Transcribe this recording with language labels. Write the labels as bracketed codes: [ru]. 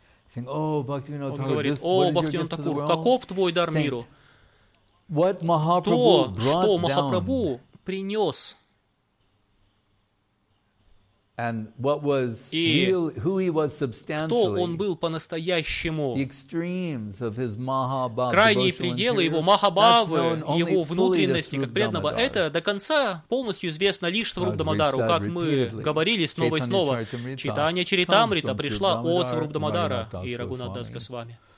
[en] Saying, oh, Bhaktivinoda Thakur, what is your gift to the world? [ru] Каков твой дар миру? [en] What Mahaprabhu brought down. [ru] То, что Махапрабху принес. [en] And what was real, who he was substantially. [ru] Кто он был по-настоящему. [en] The extremes of his Mahabhava. [ru] Крайние пределы его Махабхавы, его внутренности как преданного. Это до конца полностью известно лишь Сварупдамадару, как мы говорили снова и снова. Читание Чаритамрита пришла от Сварупдамадара и Рагунатдас Госвами.